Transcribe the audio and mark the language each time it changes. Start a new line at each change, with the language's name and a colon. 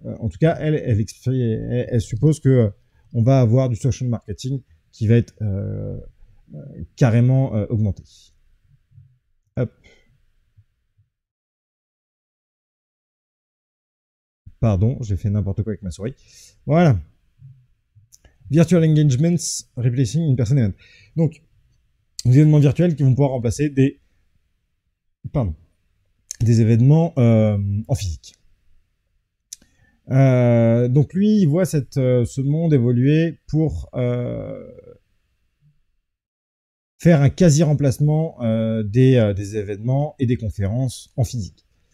French: En tout cas, elle suppose que on va avoir du social marketing qui va être carrément augmenté. Hop. Pardon, j'ai fait n'importe quoi avec ma souris. Voilà.
English: Virtual engagements replacing in person event.
French: Donc. Des événements virtuels qui vont pouvoir remplacer des événements en physique. Donc lui, il voit ce monde évoluer pour faire un quasi-remplacement des événements et des conférences en physique.